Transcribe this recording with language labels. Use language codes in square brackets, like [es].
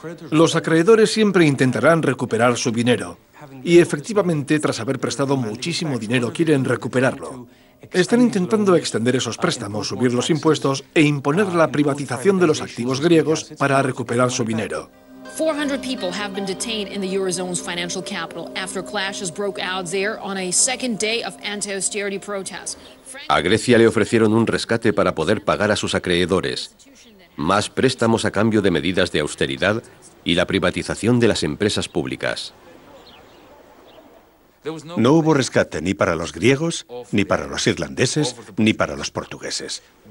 [es] Los acreedores siempre intentarán recuperar su dinero. Y efectivamente, tras haber prestado muchísimo dinero, quieren recuperarlo. Están intentando extender esos préstamos, subir los impuestos e imponer la privatización de los activos griegos para recuperar su dinero. [en] 400 people have been detained in the Eurozone's financial capital after clashes broke out there on a second day of anti-austerity protests. [es] A Grecia le ofrecieron un rescate para poder pagar a sus acreedores, más préstamos a cambio de medidas de austeridad y la privatización de las empresas públicas. No hubo rescate ni para los griegos, ni para los irlandeses, ni para los portugueses.